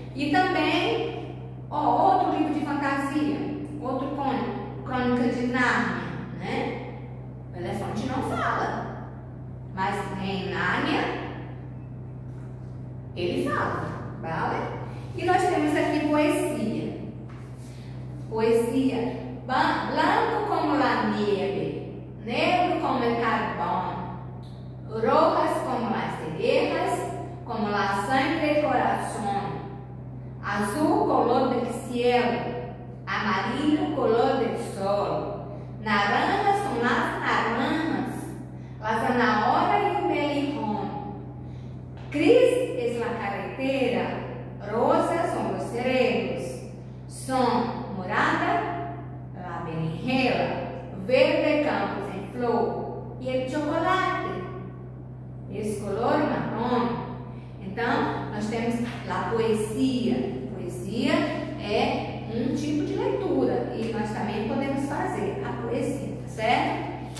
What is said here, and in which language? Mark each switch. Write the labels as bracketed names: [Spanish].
[Portuguese] E também outro livro de fantasia, outro conto, Crônica de Nárnia, né? O elefante não fala, mas em Nárnia ele fala, vale? E nós temos aqui poesia. Poesia. [Spanish] Blanco como la nieve, negro como el carbón, rojas como las cerejas, como la sangre del corazón. Azul, color del cielo. Amarillo, color del sol. Naranjas son las naranjas. La zanahoria y el melijón. Gris es la carretera. Rosas son los cerezos. Son morada, la berenjena. Verde, campos en flor. Y el chocolate es color marrón. [Portuguese] Então, nós temos a poesia. Poesia é um tipo de leitura e nós também podemos fazer a poesia, certo?